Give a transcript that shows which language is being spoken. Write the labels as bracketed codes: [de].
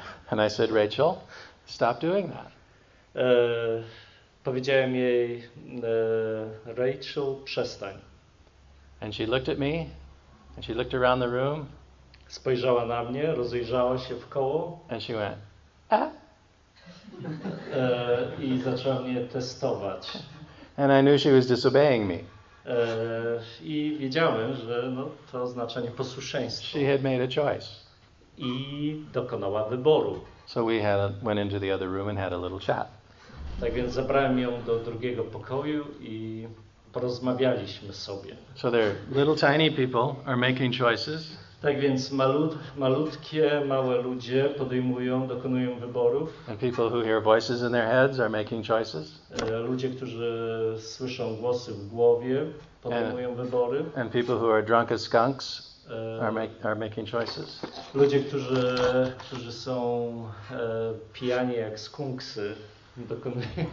[en] And I said, Rachel, stop doing that. [pl] Powiedziałem jej, Rachel, przestań. [en] And she looked at me, and she looked around the room. [pl] Spojrzała na mnie, rozejrzała się w koło. [en] And she went, ah. [pl] I zaczęła mnie testować. [en] And I knew she was disobeying me. [pl] I wiedziałem, że no, to oznacza nieposłuszeństwo. [en] She had made a choice. [pl] I dokonała wyboru. [en] So we went into the other room and had a little chat. [pl] Tak więc zabrałem ją do drugiego pokoju i porozmawialiśmy sobie. [en] So there, little tiny people are making choices. [pl] Tak więc malutkie, małe ludzie podejmują, dokonują wyborów. [en] And people who hear voices in their heads are making choices. [pl] Ludzie, którzy słyszą głosy w głowie, podejmują wybory. [en] And people who are drunk as skunks are making choices. [pl] Ludzie, którzy są pijani jak skunksy, dokonują.